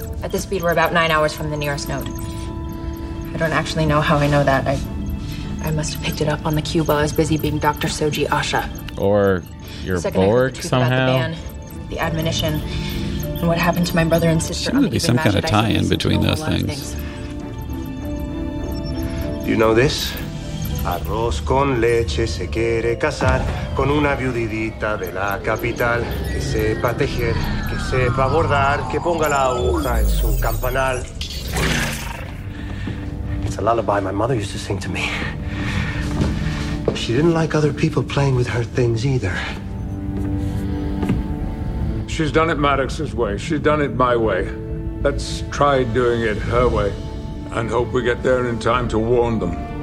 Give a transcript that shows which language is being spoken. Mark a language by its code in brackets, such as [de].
[en] At this speed, we're about 9 hours from the nearest node. I don't actually know how I know that. I must have picked it up on the cube while I was busy being Dr. Soji Asha. Or your Second Borg, I heard the truth somehow? About the ban, the admonition, and what happened to my brother and sister. There should be some kind of tie-in between those things. Do you know this? [es] Arroz con leche se quiere casar con una viudita de la capital que sepa tejer, que sepa bordar, que ponga la aguja en su campanal. [en] It's a lullaby my mother used to sing to me. She didn't like other people playing with her things either. She's done it Maddox's way. She's done it my way. Let's try doing it her way and hope we get there in time to warn them.